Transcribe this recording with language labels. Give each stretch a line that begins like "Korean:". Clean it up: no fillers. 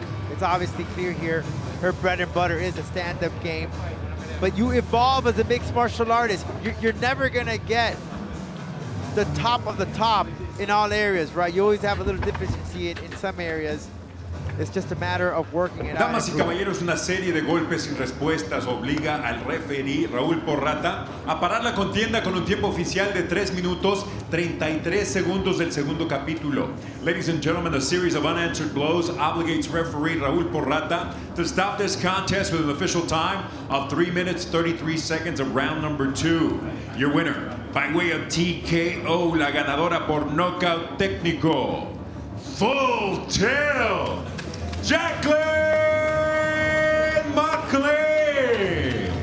English: It's obviously clear here, her bread and butter is a stand-up game. But you evolve as a mixed martial artist. You're never gonna get the top of the top in all areas, right? You always have a little deficiency in some areas. It's just a matter of working it out.
Spanish: Damas y caballeros, una serie de golpes sin respuestas obliga al referee Raúl Porrata a parar la contienda con un tiempo oficial de 3 minutos 33 segundos del segundo capítulo.
English: Ladies and gentlemen, a series of unanswered blows obligates referee Raúl Porrata to stop this contest with an official time of 3 minutes 33 seconds of round number 2. Your winner, by way of TKO,
Spanish: la ganadora por knockout técnico,
English: Full Tilt, Jacklyn MacLean.